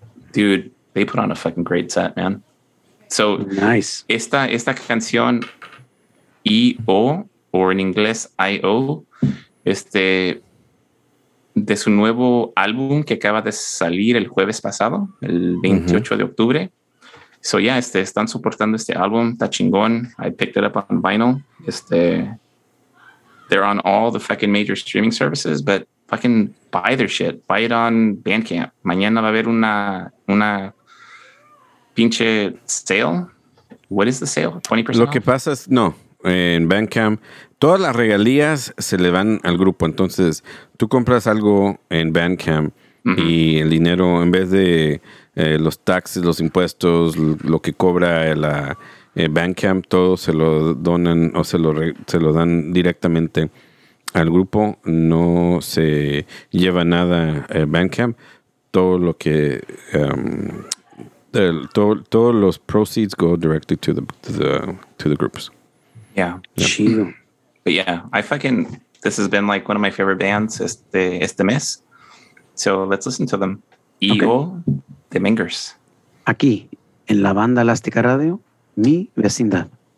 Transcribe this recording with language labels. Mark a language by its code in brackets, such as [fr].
[en] Dude, they put on a fucking great set, man. So nice. [es] Esta canción E-O, or in inglés I-O, de su nuevo álbum que acaba de salir el jueves pasado, el 28 de octubre. [en] So yeah, [es] están soportando este álbum, está chingón. [en] I picked it up on vinyl. They're on all the fucking major streaming services, but fucking buy their shit. Buy it on Bandcamp. [es] Mañana va a haber una pinche sale. [en] What is the sale? 20%? [es] Lo que pasa es, no, en Bandcamp... Todas las regalías se le van al grupo. Entonces, tú compras algo en Bandcamp y el dinero, en vez de los taxes, los impuestos, lo que cobra la Bandcamp, todo se lo donan o se lo dan directamente al grupo. No se lleva nada Bandcamp. Todo lo que... todos los [en] proceeds go directly to the groups. Yeah, [es] chido. [en] But yeah, this has been like one of my favorite bands [es] este mes. [en] So let's listen to them. Eagle, okay. The Mangers. [es] Aquí, en la banda Elástica Radio, Mi Vecindad.